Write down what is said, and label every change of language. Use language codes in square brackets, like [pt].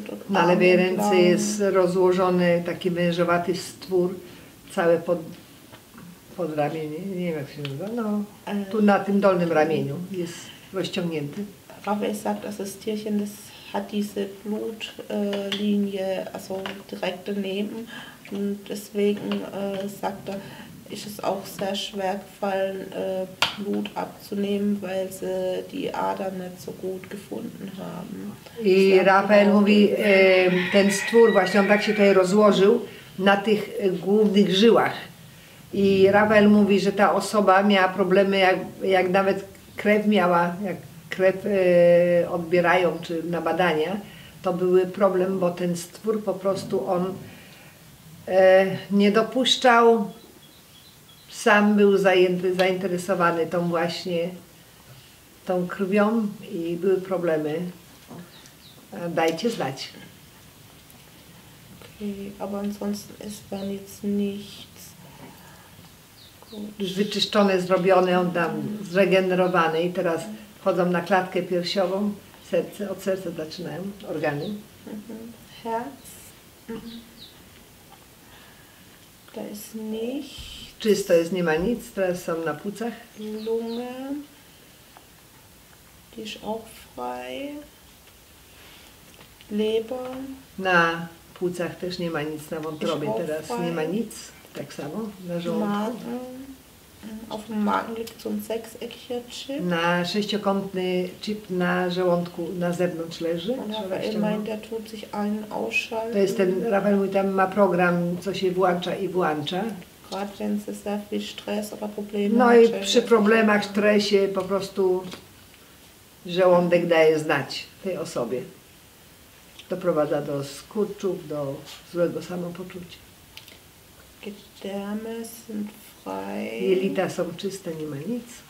[pl] Na lewej ręce jest rozłożony taki wężowaty stwór, całe pod ramieniem, nie wiem jak się nazywa, no, tu na tym dolnym ramieniu jest rozciągnięty. [de] Rafael sagt, dass das Tierchen, das hat diese Blutlinie, also direkt daneben, und deswegen sagt er, ist es auch sehr schwer gefallen, Blut abzunehmen, weil sie die Adern nicht so gut gefunden haben. [pl] I Rafael mówi, ten stwór właśnie, on tak się tutaj rozłożył na tych głównych żyłach. I Rafael mówi, że ta osoba miała problemy, jak nawet krew miała, jak krew odbierają czy na badania, to były problem, bo ten stwór po prostu on nie dopuszczał, sam był zainteresowany tą właśnie tą krwią i były problemy. Dajcie znać. [de] Aber ansonsten ist dann jetzt nichts. [pl] Wyczyszczone, zrobione, on tam zregenerowany i teraz wchodzą na klatkę piersiową, serce, od serca zaczynają organy. [de] Herz. Da ist nichts. [pl] Czysto jest, nie ma nic, teraz są na płucach. [de] Lunge. Die ist auch frei. Leber. [pl] Na płucach też nie ma nic, na wątrobie teraz nie ma nic, tak samo, na żołądku. [de] Auf dem Magen liegt so ein sechseckiger Chip. [pl] Na sześciokątny chip na żołądku, na zewnątrz leży. [de] Rafael meint, der tut sich allen ausschalten. [pl] To jest ten, Rafael mówi, tam ma program, co się włącza i włącza. [de] Gerade wenn sie sehr viel Stress oder Probleme [pl] hat. No i przy problemach, stresie po prostu żołądek daje znać tej osobie. Doprowadza do skurczów, do złego samopoczucia. [de] Gedärme sind frei. [pl] Jelita są czyste, nie ma nic.